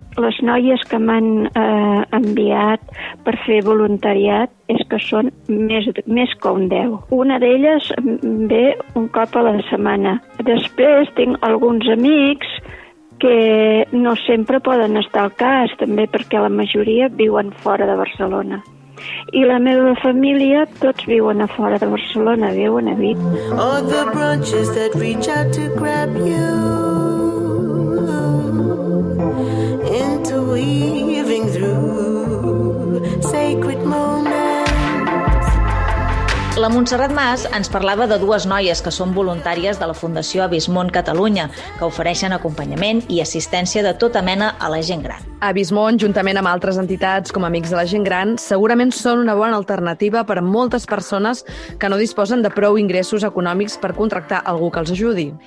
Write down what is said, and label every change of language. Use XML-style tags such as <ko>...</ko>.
<ca>Les noies que m'han enviat per fer voluntariat és que són més que un 10. Una d'elles ve un cop a la setmana. Després tinc alguns amics que no sempre poden estar al cas, també perquè la majoria viuen fora de Barcelona. I la meva família, tots viuen a fora de Barcelona, viuen a Vic.</ca> <en>All the branches that reach out to grab you, interweaving through sacred moments.</en> <ca>La Montserrat Mas ens parlava de dues noies que són voluntàries de la Fundació Abismón Catalunya, que ofereixen acompanyament i assistència de tota mena a la gent gran. Abismón, juntament amb altres entitats com Amics de la Gent Gran, segurament són una bona alternativa per a moltes persones que no disposen de prou ingressos econòmics per contractar algú que els ajudi.</ca>